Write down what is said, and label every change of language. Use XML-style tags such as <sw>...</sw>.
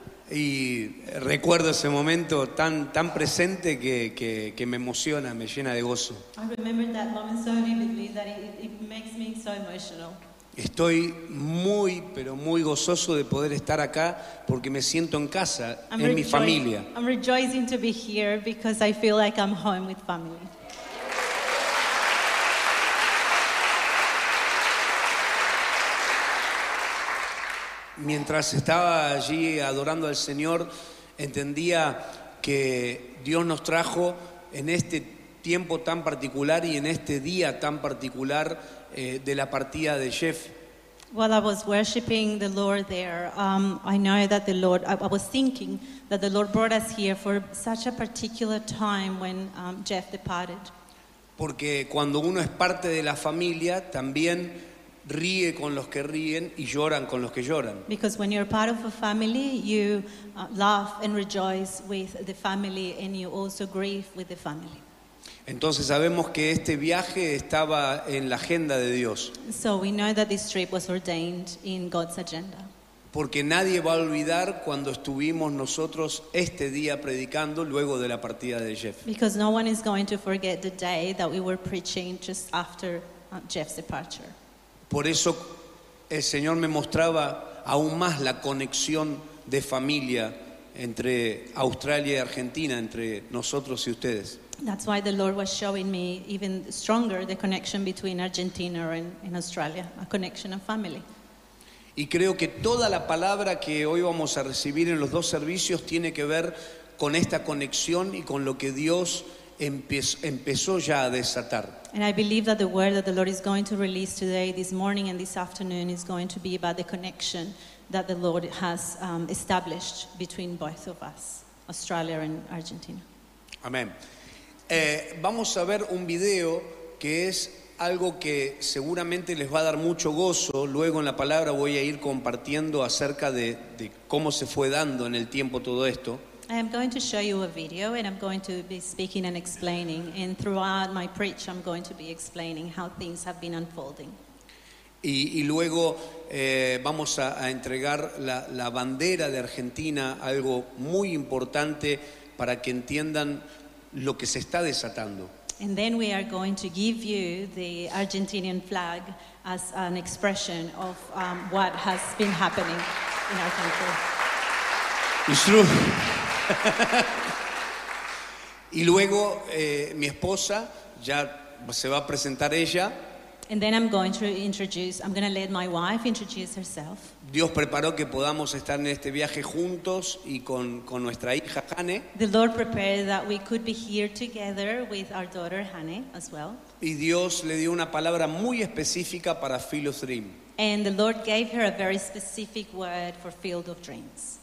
<es>Y recuerdo ese momento tan presente que me emociona, me llena de gozo.</es> <en>I remember that moment so vividly that it makes me so emotional.</en> <es>Estoy muy, pero muy gozoso de poder estar acá porque me siento en casa, en mi familia.</es> <en>I'm rejoicing to be here because I feel like I'm home with family.</en> <es>Mientras estaba allí adorando al Señor, entendía que Dios nos trajo en este tiempo tan particular y en este día tan particular de la partida de Jeff.</es> <en>While I was worshiping the Lord there, I know that the Lord, I was thinking that the Lord brought us here for such a particular time when Jeff departed.</en> <es>Porque cuando uno es parte de la familia, también ríe con los que ríen y lloran con los que lloran.</es> <en>Because when you're part of a family, you laugh and rejoice with the family and you also grieve with the family.</en> <es>Entonces sabemos que este viaje estaba en la agenda de Dios.</es> <en>So we know that this trip was ordained in God's agenda.</en> <es>Porque nadie va a olvidar cuando estuvimos nosotros este día predicando luego de la partida de Jeff.</es> <en>Because no one is going to forget the day that we were preaching just after Jeff's departure.</en> <es>Por eso el Señor me mostraba aún más la conexión de familia entre Australia y Argentina, entre nosotros y ustedes.</es> <en>That's why the Lord was showing me even stronger the connection between Argentina and Australia, a connection of family.</en> <es>Y creo que toda la palabra que hoy vamos a recibir en los dos servicios tiene que ver con esta conexión y con lo que Dios empezó ya a desatar.</es> <en>And I believe that the word that the Lord is going to release today, this morning and this afternoon, is going to be about the connection that the Lord has established between both of us, Australia and Argentina. Amen.</en> <es>Vamos a ver un video que es algo que seguramente les va a dar mucho gozo. Luego en la palabra voy a ir compartiendo acerca de cómo se fue dando en el tiempo todo esto.</es> <en>I am going to show you a video and I'm going to be speaking and explaining. And throughout my preach I'm going to be explaining how things have been unfolding.</en> <es>Y luego vamos a entregar la bandera de Argentina, algo muy importante para que entiendan lo que se está desatando.</es> <en>And then we are going to give you the Argentinian flag as an expression of what has been happening in our country. It's true.</en> <es>Y luego mi esposa ya se va a presentar ella.</es> <en>And then I'm going to let my wife introduce herself.</en> <es>Dios preparó que podamos estar en este viaje juntos y con nuestra hija Hane.</es> <en>The Lord prepared that we could be here together with our daughter Hane as well.</en> <es>Y Dios le dio una palabra muy específica para Field of Dreams.</es> <en>And the Lord gave her a very specific word for Field of Dreams.</en>